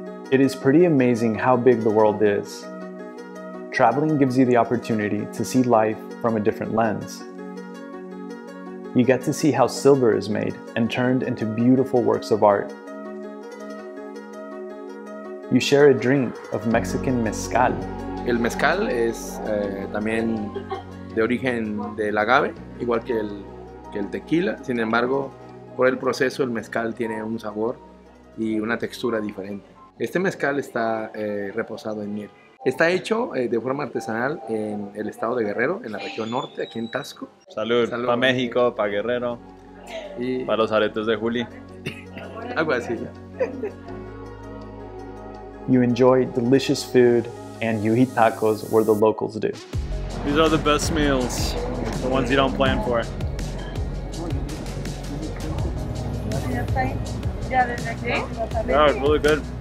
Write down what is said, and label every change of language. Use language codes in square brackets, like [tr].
[en] It is pretty amazing how big the world is. traveling gives you the opportunity to see life from a different lens. You get to see how silver is made and turned into beautiful works of art. You share a drink of Mexican mezcal. [es] El mezcal es también de origen del agave, igual que el tequila. Sin embargo, por el proceso, el mezcal tiene un sabor y una textura diferente. Este mezcal está reposado en miel. Está hecho de forma artesanal en el estado de Guerrero, en la región norte, aquí en Taxco. Salud, salud. Para México, para Guerrero, y para los aretes de Juli. Algo así. [en] You enjoy delicious food and you eat tacos where the locals do. These are the best meals, the ones you don't plan for. Yeah, they're really good.